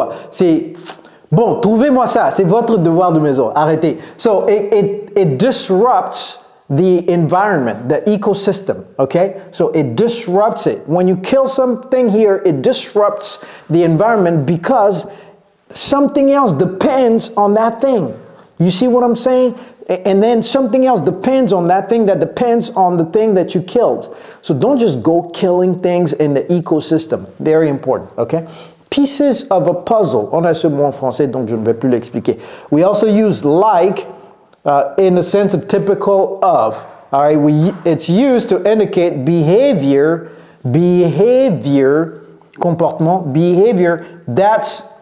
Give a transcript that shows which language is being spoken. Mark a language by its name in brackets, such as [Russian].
[French] C'est bon, trouvez-moi ça, c'est votre devoir de maison. Arrêtez. [English] So it disrupts the environment, the ecosystem, okay? So it disrupts it. When you kill something here, it disrupts the environment because something else depends on that thing. You see what I'm saying? And then something else depends on that thing that depends on the thing that you killed. So don't just go killing things in the ecosystem. Very important, okay? Pieces of a puzzle. [French] On a ce mot en français, donc je ne vais plus l'expliquer. [English] We also use like in the sense of typical of. All right, it's used to indicate behavior that's...